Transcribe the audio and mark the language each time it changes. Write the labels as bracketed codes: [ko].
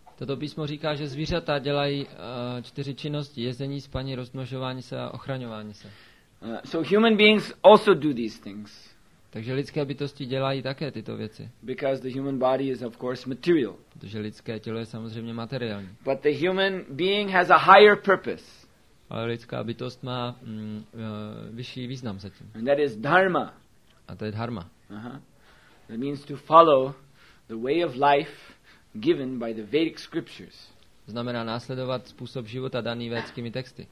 [cs] Toto písmo říká, že zvířata dělají čtyři činnosti: jezení, spaní, rozmnožování se a ochraňování se. [en] So human beings also do these things. [cs] Takže lidské bytosti dělají také tyto věci. [en] Because the human body is of course material. [cs] Protože lidské tělo je samozřejmě materiální. [en] But the human being has a higher purpose. [cs] Ale lidská bytost má vyšší význam zatím. [en] And that is dharma. [cs] A to je dharma. [en] That means to follow the way of life given by the Vedic scriptures. [cs] Znamená následovat způsob života daný védskými texty.